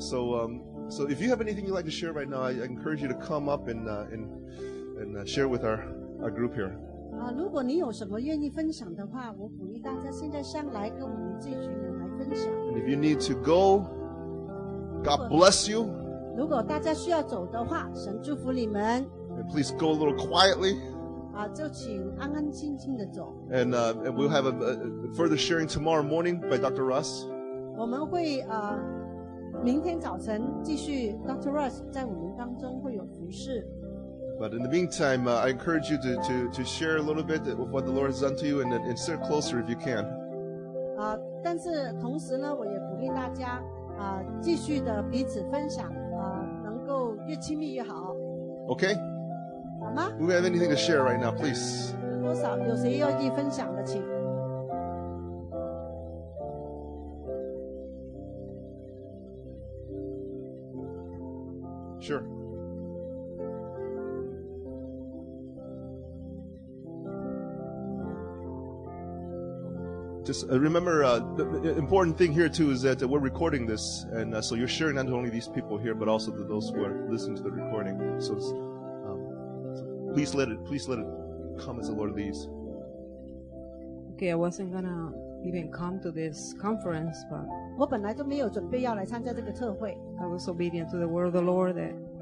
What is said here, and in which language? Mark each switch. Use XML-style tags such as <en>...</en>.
<en>So So if you have anything you'd like to share right now, I encourage you to come up and share with our group here.</en> <zh>如果你有什么愿意分享的话, 我鼓励大家现在上来跟我们这群人来分享。</zh> <en>And if you need to go, God bless you.</en> <zh>如果大家需要走的话, 神祝福你们。</zh> <en>And please go a little quietly.</en> <zh>就请安安静静地走。</zh> <en>And we'll have a further sharing tomorrow morning by Dr. Russ.</en> <zh>我们会, 明天早晨继续, Dr. Russ在我们当中会有服侍。</zh> <en>But in the meantime, I encourage you to share a little bit of what the Lord has done to you and sit closer if you can.</en> <zh>但是同时呢, 我也鼓励大家, 继续的彼此分享, 能够越亲密越好。</zh> <en>Okay.</en> <zh>好吗?</zh> <en>Do we have anything to share right now, please?</en> <zh>多少, 有谁愿意分享的, 请。</zh> <en>Sure. Just remember, the important thing here too is that we're recording this, and so you're sharing not only these people here, but also to those who are listening to the recording. So, please let it come as the Lord leads. Okay, I wasn't gonna even come to this conference, but</en> <zh>我本来都没有准备要来参加这个特会。</zh> <en>I was obedient to the word of the Lord that.</en>